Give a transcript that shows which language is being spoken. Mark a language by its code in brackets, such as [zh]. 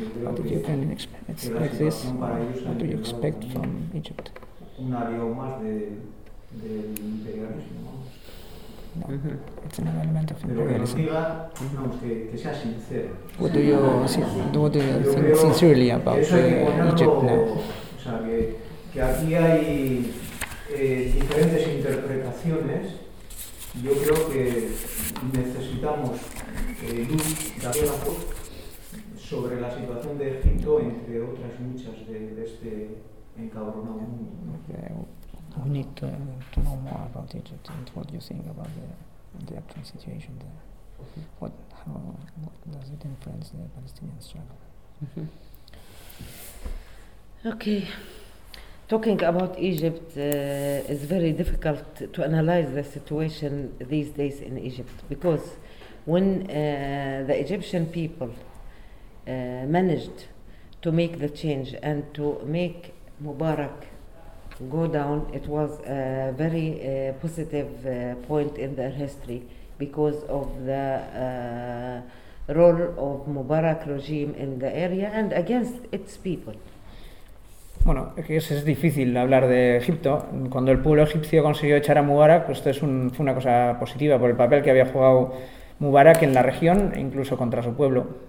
[en] What do you can expect this? What do you expect from Egypt? [es] Un área más del imperialismo. [en] No, it's an element of imperialism. [es] Pero que lo diga, que sea sincero. [en] What do you think sincerely about Egypt now? [es] O sea, que aquí hay diferentes interpretaciones. Yo creo que necesitamos luz de arriba sobre la situación de Egipto, entre otras muchas de este encabronado mundo, ¿no? Okay. [en] We need to know more about Egypt and what you think about the actual situation there. Mm-hmm. What does it influence the Palestinian struggle? Mm-hmm. Okay, talking about Egypt is very difficult to analyze the situation these days in Egypt, because when the Egyptian people managed to make the change and to make Mubarak go down, it was a very positive point in their history because of the role of Mubarak regime in the area and against its people. [es] Bueno, es difícil hablar de Egipto. Cuando el pueblo egipcio consiguió echar a Mubarak, pues esto fue una cosa positiva por el papel que había jugado Mubarak en la región, incluso contra su pueblo.